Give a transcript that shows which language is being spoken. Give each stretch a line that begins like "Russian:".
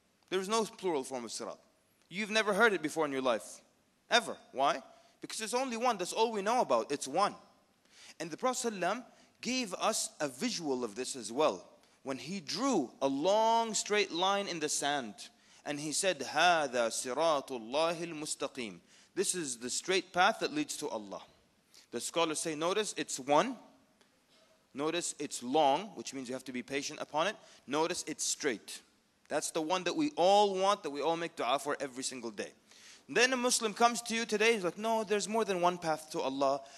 English: There is no plural form of sirat. You've never heard it before in your life. Ever. Why? Because it's only one. That's all we know about. It's one. And the Prophet ﷺ gave us a visual of this as well. When he drew a long straight line in the sand. And he said,
Arabic: هذا صراط الله المستقيم.
English: This is the straight path that leads to Allah. The scholars say, notice it's one. Notice it's long, which means you have to be patient upon it. Notice it's straight. That's the one that we all want, that we all make dua for every single day. Then a Muslim comes to you today, he's like, no, there's more than one path to Allah.